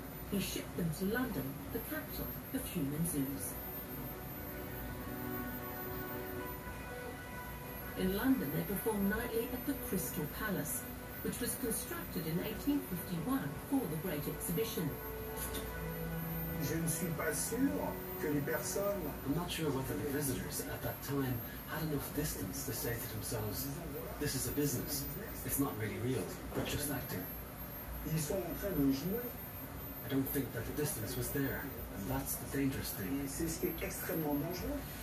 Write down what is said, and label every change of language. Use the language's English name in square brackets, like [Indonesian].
[English] He shipped them to London, the capital of human zoos. In London, they performed nightly at the Crystal Palace, which was constructed in 1851 for the Great Exhibition. [French] Je ne suis pas sûr que les personnes... [English] I'm not sure whether the visitors at that time had enough distance to say to themselves, this is a business. It's not really real, but just acting. [French] Ils sont en train de jouer. [English] I don't think that the distance was there, and that's the dangerous thing. [French] Et c'est ce qui est extrêmement dangereux.